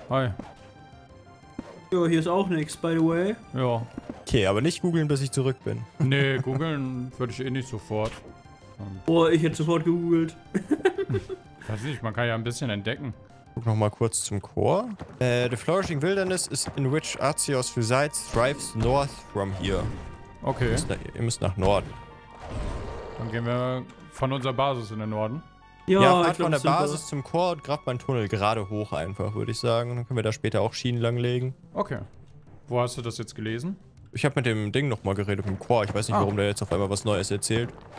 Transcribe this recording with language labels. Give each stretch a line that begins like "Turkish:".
German: Hi. Jo, hier ist auch nichts,
English: by the way.
German: Ja. Okay, aber nicht googeln, bis ich zurück bin. Nee, googeln würde ich eh nicht sofort. Boah, ich hätte sofort gegoogelt. Weiß nicht, man kann ja ein bisschen entdecken. Guck nochmal kurz zum Chor.
English: The flourishing wilderness is in which Arceus resides thrives north from here.
German: Okay. Ihr müsst nach Norden. Dann gehen wir von unserer Basis in den Norden. Ja, ja, halt von der Basis zum Chor und grabt meinen Tunnel gerade hoch einfach, würde ich sagen. Dann können wir da später auch Schienen langlegen. Okay. Wo hast du das jetzt gelesen? Ich habe mit dem Ding nochmal geredet, mit dem Chor. Ich weiß nicht, warum der jetzt auf einmal was Neues erzählt.